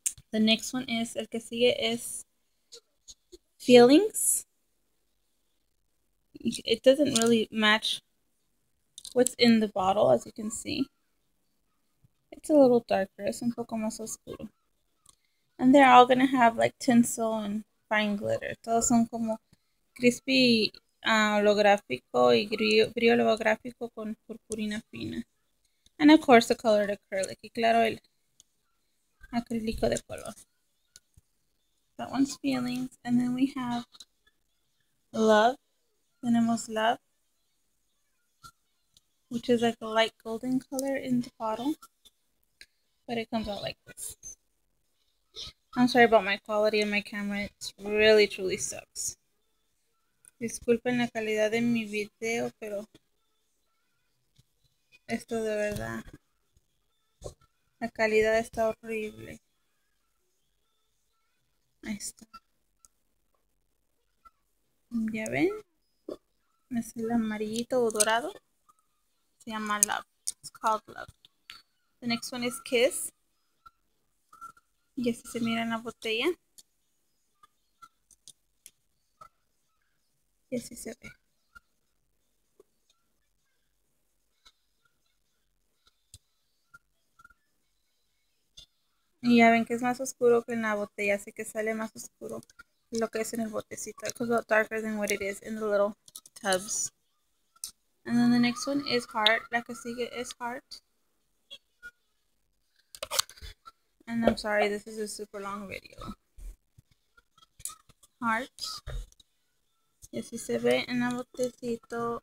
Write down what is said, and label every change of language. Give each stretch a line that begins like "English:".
English: The next one is,
Spanish: el que sigue es
English: Feelings. It doesn't really match what's in the bottle, as you can see. It's a little darker.
Spanish: Es un poco más oscuro.
English: And they're all going to have like tinsel and fine glitter.
Spanish: Todos son como crispy holográfico y brillo holográfico con purpurina fina.
English: And of course, the colored acrylic.
Spanish: Y claro, el acrílico de color.
English: That one's Feelings. And then we have Love.
Spanish: Tenemos Love.
English: Which is like a light golden color in the bottle. But it comes out like this. I'm sorry about my quality of my camera. It really, truly sucks.
Spanish: Disculpen la calidad de mi video, pero esto de verdad. La calidad está horrible. Ahí está. ¿Ya ven? Es el amarillito o dorado. Se llama Love.
English: It's called Love. The next one is Kiss.
Spanish: Y así se mira en la botella. Y así se ve. Y ya ven que es más oscuro que en la botella. Así que sale más oscuro lo que es en el botecito.
English: It's a little darker than what it is in the little tubs. And then the next one is Heart.
Spanish: La que sigue es Heart.
English: And I'm sorry, this is a super long video.
Spanish: Heart. Y así se ve en el botecito.